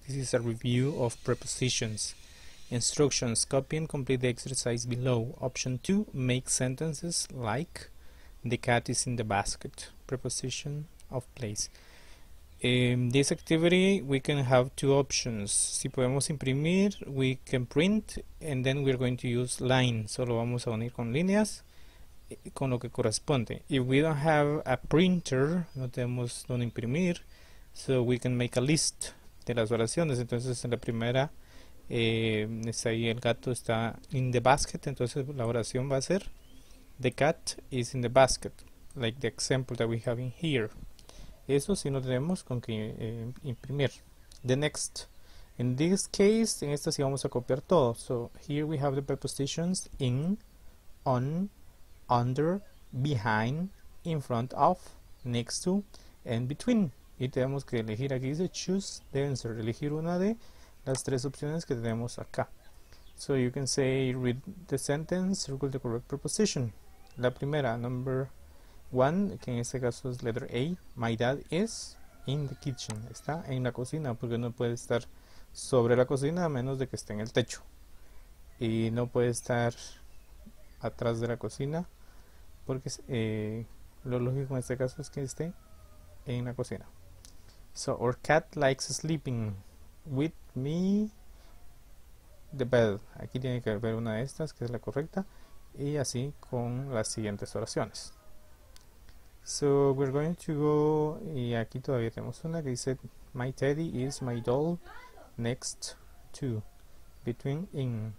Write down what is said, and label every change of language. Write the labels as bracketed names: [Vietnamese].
[English] This is a review of prepositions. Instructions: copy and complete the exercise below. Option 2, make sentences like the cat is in the basket. Preposition of place. In this activity we can have two options. [Spanish] Si podemos imprimir, [English] we can print, and then we're going to use line. [Spanish] Solo vamos a unir con líneas con lo que corresponde. [English] If we don't have a printer, [Spanish] no tenemos donde imprimir, [English] so we can make a list [Spanish] de las oraciones. Entonces en la primera está ahí, el gato está [English] in the basket, [Spanish] entonces la oración va a ser [English] the cat is in the basket, like the example that we have in here. [Spanish] Eso si no tenemos con que imprimir. [English] The next, in this case, [Spanish] en esta sí vamos a copiar todo. [English] So here we have the prepositions in, on, under, behind, in front of, next to, and between. [Spanish] Y tenemos que elegir, aquí dice [English] choose the answer, [Spanish] elegir una de las tres opciones que tenemos acá. [English] So you can say, read the sentence, circle the correct preposition. [Spanish] La primera, [English] number one, [Spanish] que en este caso es [English] letter A, my dad is in the kitchen, [Spanish] está en la cocina, porque no puede estar sobre la cocina a menos de que esté en el techo. Y no puede estar atrás de la cocina, porque lo lógico en este caso es que esté en la cocina. [English] So, our cat likes sleeping with me the bed. [Spanish] Aquí tiene que haber una de estas, que es la correcta. Y así con las siguientes oraciones. [English] So, we're going to go, [Spanish] y aquí todavía tenemos una que dice, [English] my teddy is my doll next to, between, in.